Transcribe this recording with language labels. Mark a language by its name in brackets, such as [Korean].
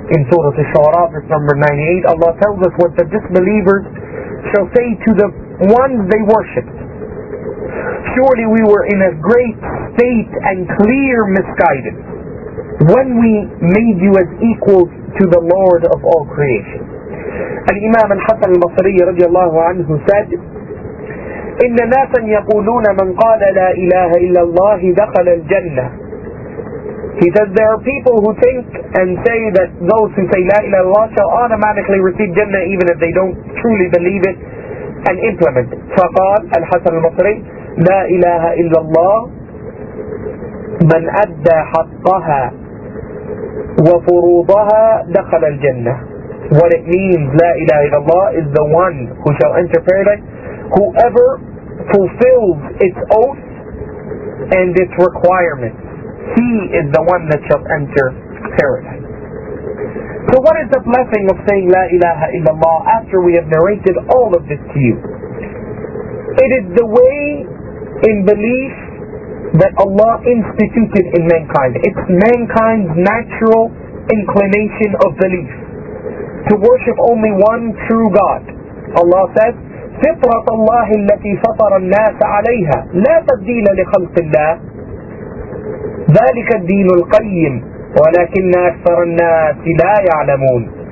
[English] In Surah Al-Shu'ara, verse number 98, Allah tells us what the disbelievers shall say to the ones they worship. Surely we were in a great state and clear misguidance when we made you as equals to the Lord of all creation. Al-Imam Al-Hasan Al-Basri radiallahu anhu said, [Arabic] إِنَّ نَاسًا يَقُولُونَ مَنْ قَالَ لَا إِلَهَ إِلَّا اللَّهِ دَخَلَ الْجَنَّةِ. [English] He says there are people who think and say that those who say La ilaha illallah shall automatically receive Jannah even if they don't truly believe it and implement it. [Arabic] فقال الحسن المصري لا إله إلا الله من أدى حقها وفروضها دخل الجنة. [English] What it means La ilaha illallah is the one who shall enter paradise, whoever fulfills its oath and its requirements, he is the one that shall enter paradise. So what is the blessing of saying La ilaha illallah after we have narrated all of this to you? It is the way in belief that Allah instituted in mankind. It's mankind's natural inclination of belief to worship only one true God. Allah says, [Arabic] فِطْرَةَ اللَّهِ الَّتِي فَطَرَ النَّاسَ عَلَيْهَا لَا تَبْدِيلَ لِخَلْقِ اللَّهِ ذلك الدين القيم ولكن أكثر الناس لا يعلمون.